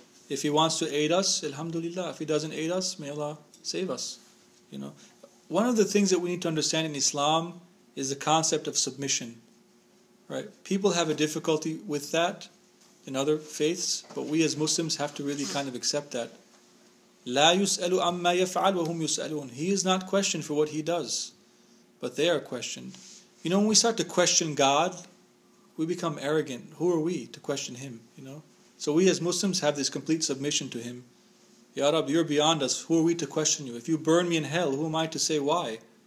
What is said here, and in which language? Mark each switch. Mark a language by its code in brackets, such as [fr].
[en] If He wants to aid us, alhamdulillah. If He doesn't aid us, may Allah save us. You know, one of the things that we need to understand in Islam is the concept of submission. Right? People have a difficulty with that in other faiths, but we as Muslims have to really kind of accept that. [ar] لا يسألوا عما يفعل وهم يسألون. [en] He is not questioned for what he does, but they are questioned. You know, when we start to question God, we become arrogant. Who are we to question Him? You know, so we as Muslims have this complete submission to Him. Ya Rab, You're beyond us. Who are we to question You? If You burn me in hell, who am I to say why?